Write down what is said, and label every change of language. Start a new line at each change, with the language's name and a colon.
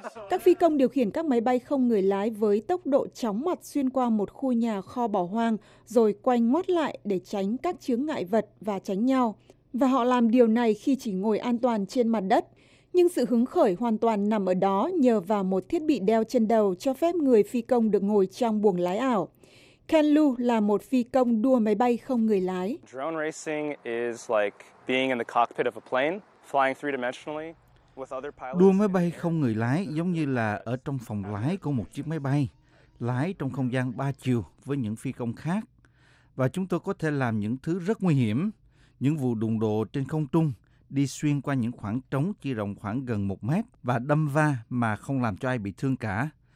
Vietnamese: Các phi công điều khiển các máy bay không người lái với tốc độ chóng mặt xuyên qua một khu nhà kho bỏ hoang rồi quay ngoắt lại để tránh các chướng ngại vật và tránh nhau. Và họ làm điều này khi chỉ ngồi an toàn trên mặt đất. Nhưng sự hứng khởi hoàn toàn nằm ở đó nhờ vào một thiết bị đeo trên đầu cho phép người phi công được ngồi trong buồng lái ảo. Ken Lu là một phi công đua máy bay không người lái.
English: Drone racing is like being in the cockpit of a plane, flying three-dimensionally with other pilots.
Vietnamese: Đua máy bay không người lái giống như là ở trong phòng lái của một chiếc máy bay, lái trong không gian ba chiều với những phi công khác. Và chúng tôi có thể làm những thứ rất nguy hiểm. Những vụ đụng độ trên không trung, đi xuyên qua những khoảng trống chỉ rộng khoảng gần 1 mét và đâm va mà không làm cho ai bị thương cả.